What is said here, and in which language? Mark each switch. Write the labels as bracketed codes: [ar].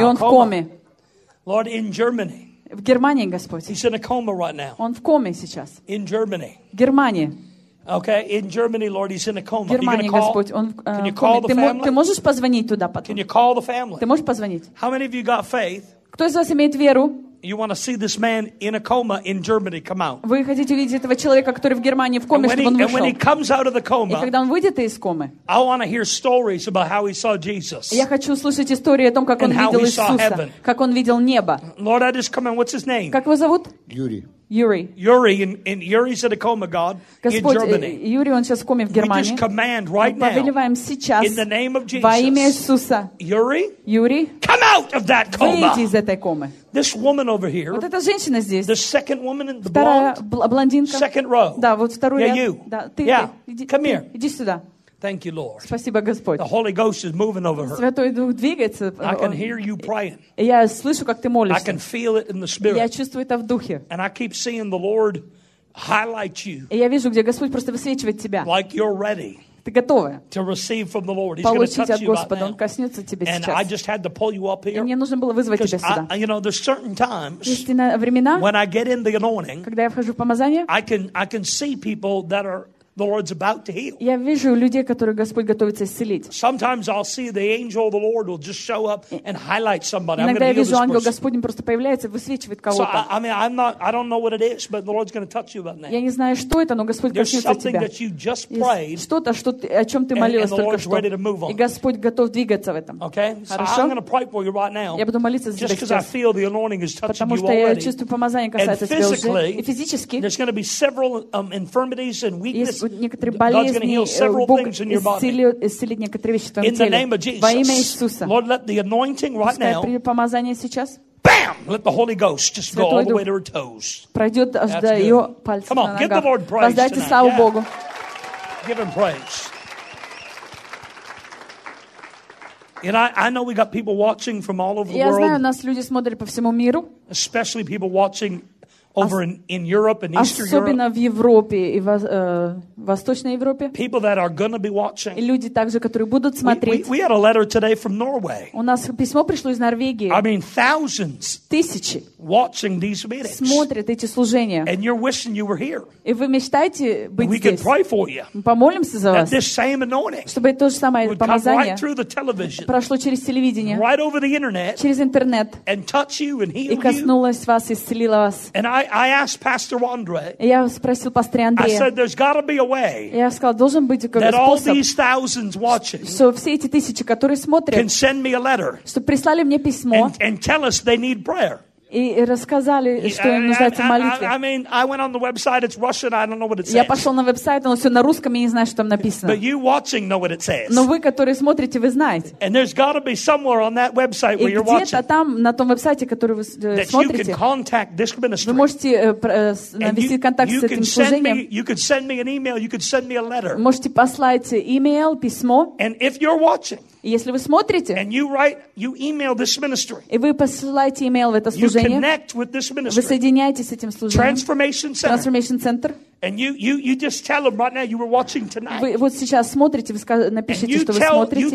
[ru] И он в коме. [en] Lord, in Germany. [ru] В Германии, Господь. [en] He's in a coma right now. [ru] Он в коме сейчас. [en] In Germany. [ru] В Германии. [en] Okay, in Germany, Lord, he's in a coma. [ru] Германии, Господь, он в коме. [en] Can you call the family? [ru] Ты можешь позвонить туда потом? [en] Can you call the family? [ru] Ты можешь позвонить? [en] How many of you got faith? [ru] Кто из вас имеет веру? [en] You want to see this man in a coma in Germany? Come out. [ru] Вы хотите видеть этого человека, который в Германии в коме, чтобы он вышел? [en] And when he comes out of the coma, [ru] и когда он выйдет из комы, [en] I want to hear stories about how he saw Jesus. [ru] Я хочу услышать истории о том, как он видел Иисуса, как он видел небо. [en] Lord, I just come in. What's his name? [ru] Как его зовут? [en] Yuri. [ru] Yuri. [en] Yuri, and Yuri's in a coma, God, [ru] Господь, [en] in Germany. [ru] Yuri, он сейчас в коме в Германии. [en] We just command right now. [ru] Мы повелеваем сейчас. [en] In the name of Jesus. [ru] Во имя Иисуса. [en] Yuri. [ru] Yuri. [en] Come out of that coma. [ru] Выйди из этой комы. [en] This woman over here. [ru] Вот эта женщина здесь. [en] The second woman in the [ru] вторая [en] blonde. [ru] Блондинка. [en] Second row. [ru] Да, вот вторую. [en] Yeah, you. [ru] Да, ты. [en] Yeah. [ru] Ты, иди, [en] come [ru] ты, [en] here. [ru] Иди сюда. [en] Thank you, Lord. [ru] Спасибо, Господь. [en] The Holy Ghost is moving over her. [ru] Святой Дух двигается. [en] I can hear you praying. [ru] Я слышу, как ты молишься. [en] I can feel it in the spirit. [ru] Я чувствую это в духе. [en] And I keep seeing the Lord highlight you. [ru] И я вижу, где Господь просто высвечивает тебя. [en] Like you're ready. [ru] Ты готова? [en] To receive from the Lord. [ru] Получить от Господа. Он коснется тебя сейчас. [en] And I just had to pull you up here. [ru] И мне нужно было вызвать тебя сюда. [en] You know, there's certain times. [ru] Есть иногда времена. [en] When I get in the anointing. [ru] Когда я вхожу в помазание. [en] I can see people that are The Lord's about to heal. [ru] Я вижу людей, которых Господь готовится исцелить. [en] Sometimes I'll see the angel of the Lord will just show up and highlight somebody. [ru] Иногда я вижу ангел Господень просто появляется, высвечивает кого-то. [en] So I don't know what it is, but the Lord's going to touch you about now. [ru] Я не знаю, что это, но Господь коснется тебя. [en] There's something that you just prayed. [ru] Что-то, что о чем ты молилась только что. [en] And the Lord's ready to move on. [ru] И Господь готов двигаться в этом. [en] Okay. [ru] Хорошо. [en] I'm going to pray for you right now. [ru] Я буду молиться за тебя. [en] Just because I feel the anointing is touching you already. [ru] Потому что я чувствую помазание касается тебя уже. [en] And physically, there's going to be several infirmities and weaknesses. [ru] некоторые болезни, Бог исцелит некоторые вещи в твоем теле. Во имя Иисуса. Пускай придет помазание сейчас. [en] Bam! Let the Holy Ghost just go all the way to her toes. [ru] Пройдет аж до ее пальцев на ногах. [en] Come on, give the Lord praise. [ru] Воздайте славу Богу. [en] Give him praise. And I know we got people watching from all over the world. [ru] Я знаю, у нас люди смотрят по всему миру. [en] Especially people watching over in Europe and Eastern Europe. [ru] Особенно в Европе и в Восточной Европе. [en] People that are going to be watching. [ru] И люди также, которые будут смотреть. [en] We had a letter today from Norway. [ru] У нас письмо пришло из Норвегии. [en] I mean thousands. [ru] Тысячи. [en] Watching these meetings. [ru] Смотрят эти служения. [en] And you're wishing you were here. [ru] И вы мечтаете быть здесь. [en] We can pray for you. [ru] Мы помолимся за вас. [en] That this same anointing. [ru] Чтобы то же самое помазание [en] right through the television. [ru] Прошло через телевидение. [en] Right over the internet. [ru] Через интернет. [en] And touch you and heal you. [ru] И коснулось вас, исцелило вас. [en] I asked Pastor Andre. [ru] Я спросил пастора Андрея. [en] I said there's got to be a way. [ru] Я сказал, должен быть какой-то способ. [en] That all these thousands watching. [ru] Что все эти тысячи, которые смотрят. [en] Can send me a letter. [ru] Что прислали мне письмо. [en] And tell us they need prayer. [ru] И рассказали, что им нуждается в молитве. [en] I mean, I went on the website, it's Russian, I don't know what it says. [ru] Я пошел на веб-сайт, оно все на русском, я не знаю, что там написано. [en] But you watching know what it says. [ru] Но вы, которые смотрите, вы знаете. [en] And there's got to be somewhere on that website where you're watching. [ru] И где-то там, на том веб-сайте, который вы смотрите, [en] that you can contact this ministry. [ru] Вы можете навести контакт с этим служением. [en] You could send me an email, you could send me a letter. [ru] Можете послать email, письмо. [en] And if you're watching, [ru] если вы смотрите, [en] and you write, you email this ministry, [ru] и вы посылаете email в это служение, [en] you connect with this ministry, [ru] вы соединяетесь с этим служением, [en] Transformation Center, [ru] Transformation Center, [en] and you just tell them right now you were watching tonight. [ru] Вы вот сейчас смотрите, вы напишите, что вы смотрите.